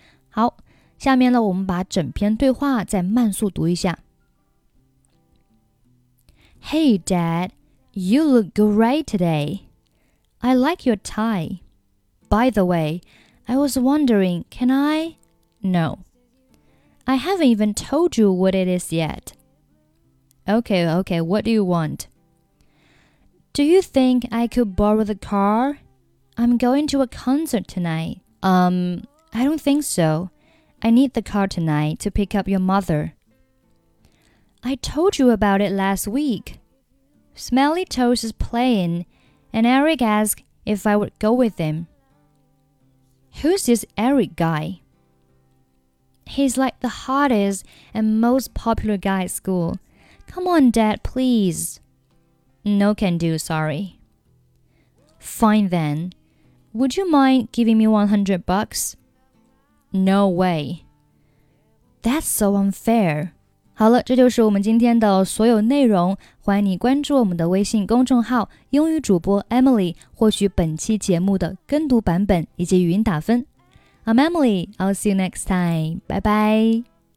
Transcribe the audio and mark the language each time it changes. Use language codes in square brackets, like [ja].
[zh] 好，下面呢我们把整篇对话再慢速读一下。 [en] Hey Dad, you look great today.I like your tie. By the way, I was wondering, can I? No. I haven't even told you what it is yet. Okay, okay, what do you want? Do you think I could borrow the car? I'm going to a concert tonight. I don't think so. I need the car tonight to pick up your mother. I told you about it last week. Smelly Toes is playing, and Eric asked if I would go with him. Who's this Eric guy? He's like the hottest and most popular guy at school. Come on, Dad, please. No can do, sorry. Fine then. Would you mind giving me 100 bucks? No way. That's so unfair. [zh] 好了，这就是我们今天的所有内容。欢迎你关注我们的微信公众号英语主播 Emily, 获取本期节目的跟读版本以及语音打分。 [en] I'm Emily, I'll see you next time. [zh] 拜拜。